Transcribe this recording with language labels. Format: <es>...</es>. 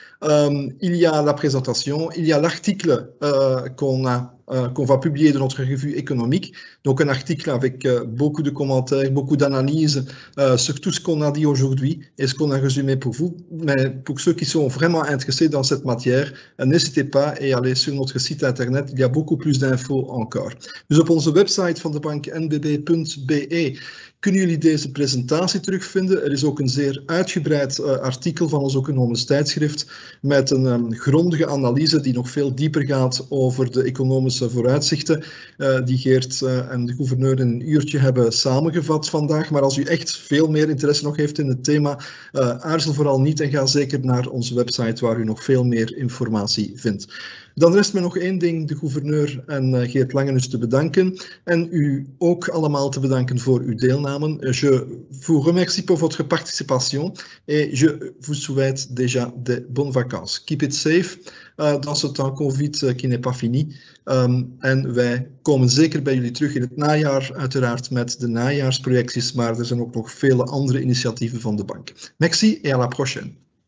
<fr>Il y a la présentation, il y a l'article qu'on va publier de notre revue économique, donc un article avec beaucoup de commentaires, beaucoup d'analyses sur tout ce qu'on a dit aujourd'hui et ce qu'on a résumé pour vous. Mais pour ceux qui sont vraiment intéressés dans cette matière, n'hésitez pas et allez sur notre site internet, il y a beaucoup plus d'infos encore.</fr> <nl>Dus op onze website van de bank nbb.be kunnen jullie deze presentatie terugvinden. Er is ook een zeer uitgebreid artikel van ons economisch tijdschrift met een grondige analyse die nog veel dieper gaat over de economische vooruitzichten die Geert en de gouverneur in een uurtje hebben samengevat vandaag. Maar als u echt veel meer interesse nog heeft in het thema, aarzel vooral niet en ga zeker naar onze website waar u nog veel meer informatie vindt. Dan rest me nog één ding, de gouverneur en Geert Langenus te bedanken en u ook allemaal te bedanken voor uw deelname.</nl> <fr>Je vous remercie pour votre participation et je vous souhaite déjà de bonnes vacances.</fr> <en>Keep it safe</en> <fr>dans ce temps Covid qui n'est pas fini.</fr> <nl>En wij komen zeker bij jullie terug in het najaar, uiteraard met de najaarsprojecties, maar er zijn ook nog vele andere initiatieven van de bank.</nl> <fr>Merci et à la prochaine.</fr>